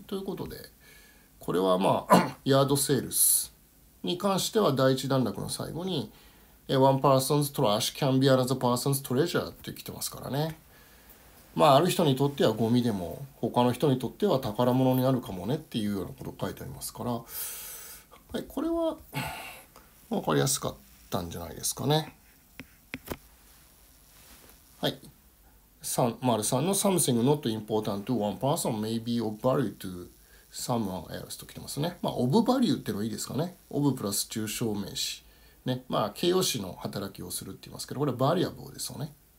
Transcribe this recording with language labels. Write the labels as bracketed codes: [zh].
[ja] ということで、これはまあ、ヤードセールスに関しては、第一段落の最後に、 [en] One person's trash can be another person's treasure [ja] って来てますからね。まあ、ある人にとってはゴミでも、他の人にとっては宝物になるかもねっていうようなこと書いてありますから、はい、これは、わかりやすかったんじゃないですかね。はい。 [en] 3の something not important to one person may be of value to someone else [ja] と来てますね。まあ、of value ってのいいですかね。of プラス抽象名詞。ね。まあ、形容詞の働きをするって言いますけど、これは variable ですよね。